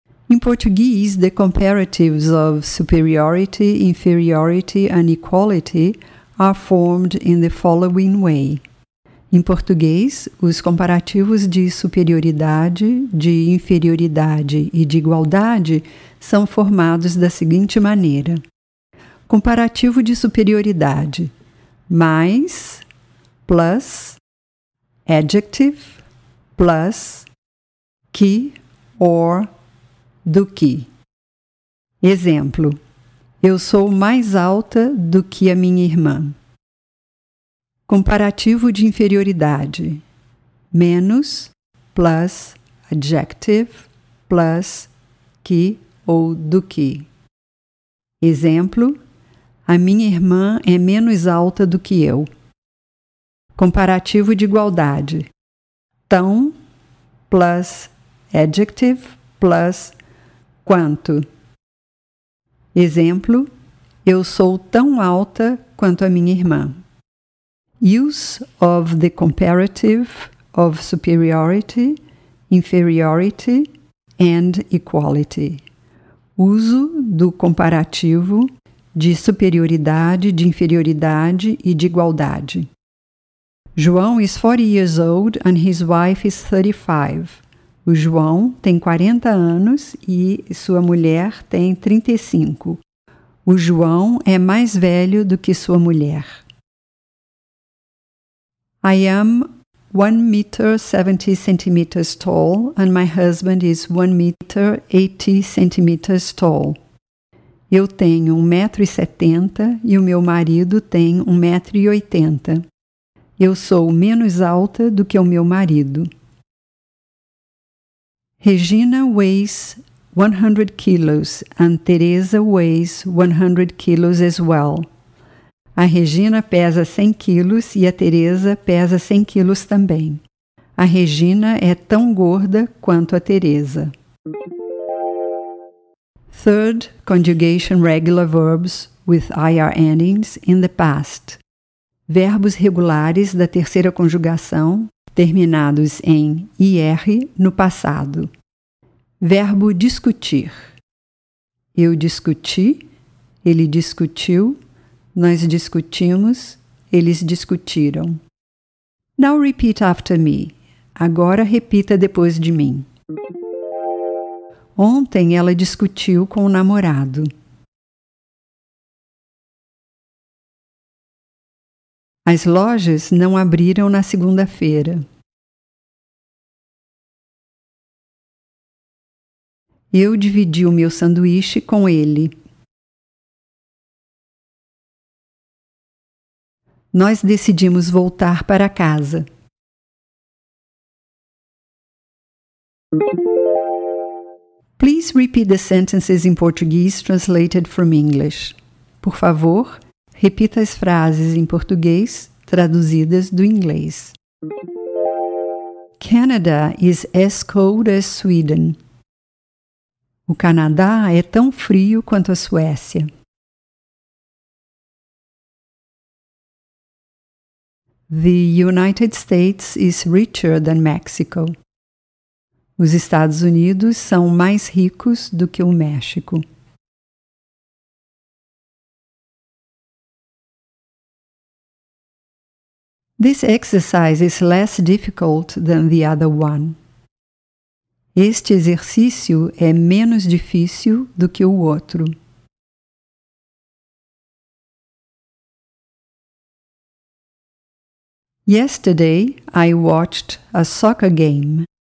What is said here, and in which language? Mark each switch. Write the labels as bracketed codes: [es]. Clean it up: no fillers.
[en] In Portuguese, the comparatives of superiority, inferiority, and equality are formed in the following way. [pt] Em português, os comparativos de superioridade, de inferioridade e de igualdade são formados da seguinte maneira. Comparativo de superioridade. Mais, [en] plus, adjective, plus, [pt] que, [en] or, [pt] do que. Exemplo: eu sou mais alta do que a minha irmã. Comparativo de inferioridade: menos [en] plus adjective plus [pt] que ou do que. Exemplo: a minha irmã é menos alta do que eu. Comparativo de igualdade: tão [en] plus adjective plus [pt] quanto. Exemplo: eu sou tão alta quanto a minha irmã. [en] Use of the comparative of superiority, inferiority and equality. [pt] Uso do comparativo de superioridade, de inferioridade e de igualdade. João is 40 years old and his wife is 35. O João tem 40 anos e sua mulher tem 35. O João é mais velho do que sua mulher. [en] I am 1 meter 70 centimeters tall and my husband is 1 meter 80 centimeters tall. [pt] Eu tenho 1,70 m e o meu marido tem 1,80 m. Eu sou menos alta do que o meu marido. [en] Regina weighs 100 kilos and Teresa weighs 100 kilos as well. [pt] A Regina pesa 100 quilos e a Teresa pesa 100 quilos também. A Regina é tão gorda quanto a Teresa. [en] Third, conjugation regular verbs with IR endings in the past. [pt] Verbos regulares da terceira conjugação terminados em IR no passado. Verbo discutir. Eu discuti, ele discutiu, nós discutimos, eles discutiram. [en] Now repeat after me. [pt] Agora repita depois de mim. Ontem ela discutiu com o namorado. As lojas não abriram na segunda-feira. Eu dividi o meu sanduíche com ele. Nós decidimos voltar para casa. [en] Please repeat the sentences in Portuguese translated from English. [pt] Por favor, repita as frases em português traduzidas do inglês. [en] Canada is as cold as Sweden. [pt] O Canadá é tão frio quanto a Suécia. [en] The United States is richer than Mexico. [pt] Os Estados Unidos são mais ricos do que o México. [en] This exercise is less difficult than the other one. [pt] Este exercício é menos difícil do que o outro. [en] Yesterday I watched a soccer game.